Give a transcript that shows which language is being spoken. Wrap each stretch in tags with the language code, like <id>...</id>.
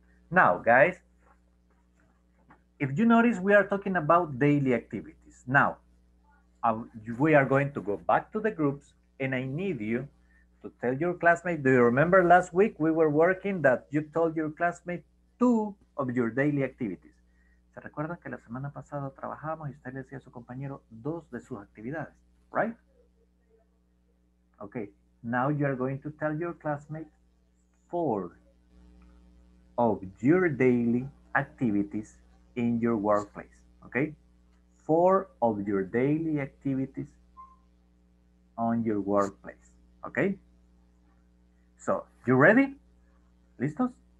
<en>Now, guys, if you notice, we are talking about daily activities. Now, we are going to go back to the groups, and I need you to tell your classmate, do you remember last week we were working that you told your classmate two of your daily activities?</en> <es>¿Se recuerdan que la semana pasada trabajábamos y usted le decía a su compañero dos de sus actividades?</es> <en>Right? Okay, now you are going to tell your classmate four of your daily activities in your workplace. Okay? Four of your daily activities on your workplace. Okay? So, you ready?</en> <es>¿Listos?</es>